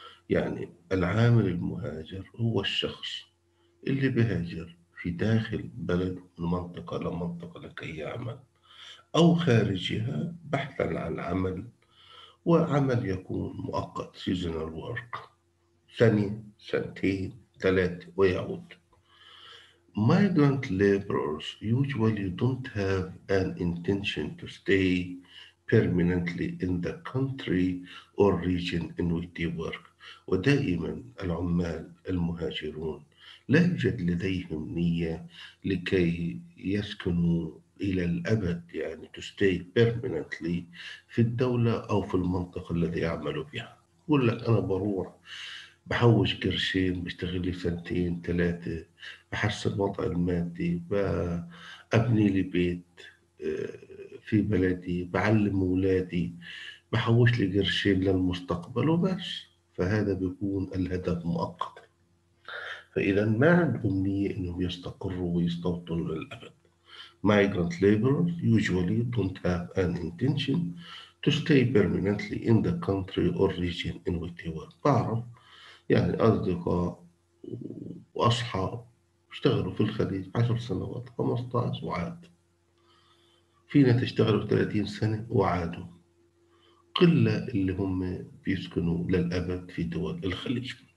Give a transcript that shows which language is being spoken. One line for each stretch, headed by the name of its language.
Arabic: يعني العامل المهاجر هو الشخص اللي بيهاجر في داخل بلد من منطقة لمنطقة لكي يعمل، أو خارجها بحثا عن عمل، وعمل يكون مؤقت
English: seasonal work.
Arabic: سنة، سنتين، ثلاثة، ويعود.
English: Migrant laborers usually don't have an intention to stay permanently in the country or region in which they work.
Arabic: ودائما العمال المهاجرون لا يوجد لديهم نية لكي يسكنوا إلى الأبد، يعني
English: to stay permanently
Arabic: في الدولة أو في المنطقة الذي يعملوا فيها. يقول لك أنا بروح بحوش قرشين، بشتغل لي سنتين ثلاثة، بحسن وضع المادي، بأبني لي بيت في بلدي، بعلم أولادي، بحوش لي قرشين للمستقبل وبس. فهذا بيكون الهدف مؤقت، فإذا ما عندهم نية إنهم يستقروا ويستوطنوا للأبد.
English: Migrant laborers usually don't have an intention to stay permanently in the country or region in which they work.
Arabic: بعرف يعني أصدقاء وأصحاب اشتغلوا في الخليج 10 سنوات، 15 وعاد. في ناس اشتغلوا 30 سنة وعادوا. قلة اللي هم بيسكنوا للأبد في دول الخليج.